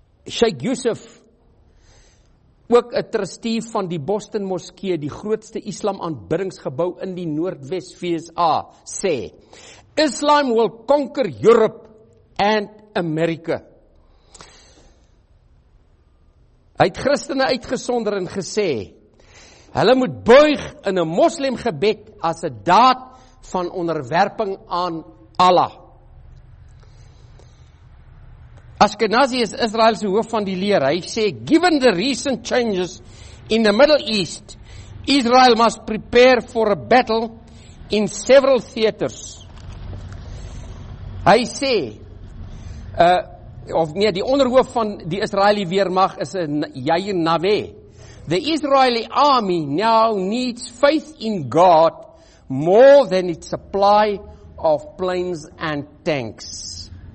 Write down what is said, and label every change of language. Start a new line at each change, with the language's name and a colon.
Afrikaans: Sheikh Yusuf, ook 'n trustee van die Boston Moskee, die grootste Islam aanbiddingsgebou in die Noordwes VSA, sê,
English: Islam will conquer Europe and America.
Afrikaans: Hy het Christene uitgesonder en gesê, hulle moet buig in 'n moslim gebed as 'n daad van onderwerping aan Allah. Ashkenazi is Israëlse hoof van die leer. Hy sê,
English: given the recent changes in the Middle East, Israel must prepare for a battle in several theaters.
Afrikaans: Hy sê, die onderhoof van die Israeli weermag is Yair Naveh.
English: The Israeli army now needs faith in God more than its supply of planes and tanks.